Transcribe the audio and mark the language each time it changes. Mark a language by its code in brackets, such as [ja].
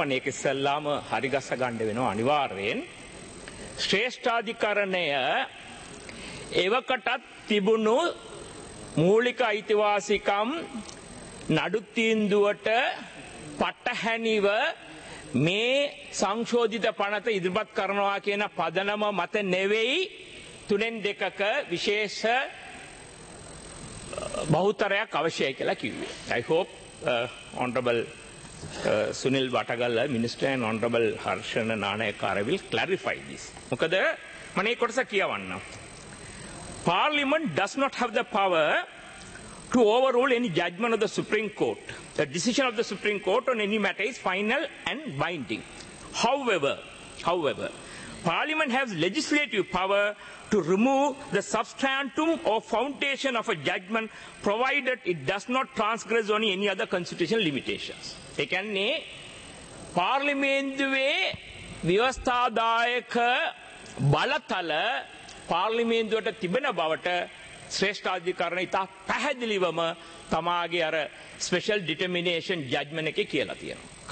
[si] මම ඒක ඉස්සල්ලාම හරි ගස්ස ගන්න වෙනවා අනිවාර්යෙන්. ශ්‍රේෂ්ඨාධිකරණය එවකටත් තිබුණු මූලික අයිතිවාසිකම් නඩු තීන්දුවට පටහැනිව මේ සංශෝධිත පනත ඉදිරිපත් කරනවා කියන පදනම මත නෙවෙයි 3-2 විශේෂ බහුතරයක් අවශ්‍යයි කියලා කිව්වේ. [en] I hope honorable Sunil Vatagalla minister and honorable Harshana Nanayakara will clarify this. [si] මොකද මම ඒ කොටස කියවන්න. [en] Parliament does not have the power to overrule any judgment of the Supreme Court. The decision of the Supreme Court on any matter is final and binding. However, Parliament has legislative power to remove the substantum or foundation of a judgment provided it does not transgress on any other constitutional limitations. [si] Ekenne parliamentuwe vyavasthadayaka balatala parliamentuwata tibena bawata ශ්‍රේෂ්ඨාධිකරණ ඉතා පැහැදිලිවම තමාගේ අර special ඩිටර්මිනේෂන් ජජ්මන එකේ කියලා තියෙනවා.